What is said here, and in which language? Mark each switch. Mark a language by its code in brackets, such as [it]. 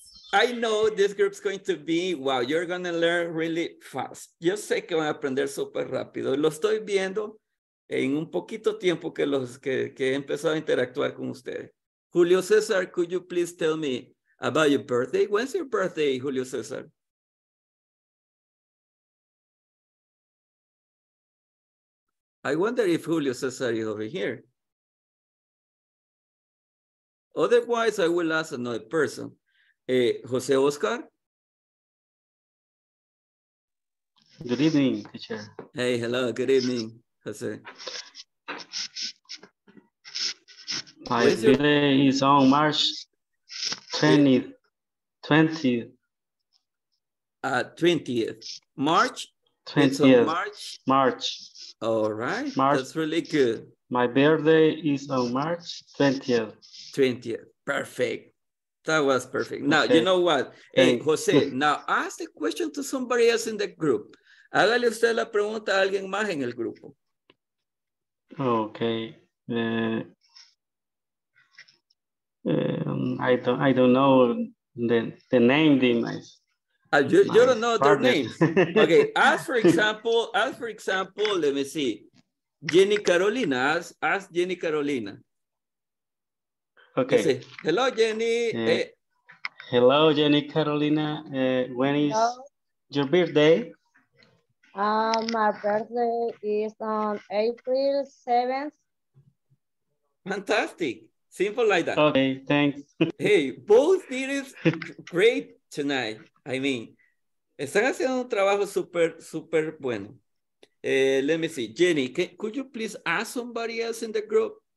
[en] I know this group's going to be, wow, you're going to learn really fast. [es] Yo sé que van a aprender súper rápido. Lo estoy viendo en un poquito tiempo que, los, que he empezado a interactuar con ustedes. [en] Julio César, could you please tell me about your birthday? When's your birthday, Julio César? I wonder if Julio César is over here. Otherwise, I will ask another person. José Oscar? Good evening, teacher. Hey, hello, good evening, José. My birthday is on March 20th. 20th. March? 20th. March? March. All right. March. That's really good. My birthday is on March 20th. 20th. Perfect. That was perfect. Now, okay. You know what? Hey, José, now ask the question to somebody else in the group. [es] Hágale usted la pregunta a alguien más en el grupo. [en] Okay. I don't know the name, Dimas. You don't know partner. Their names. Okay. ask for example, let me see. Jenny Carolina. Ask Jenny Carolina. Okay. Hello, Jenny. Hello, Jenny Carolina. When is hello. Your birthday? My birthday is on April 7th. Fantastic. Simple like that. Okay, thanks. Hey, both did it great tonight. I mean, [es] están haciendo un trabajo super, super bueno. [en] Let me see. Jenny, could you please ask somebody else in the group?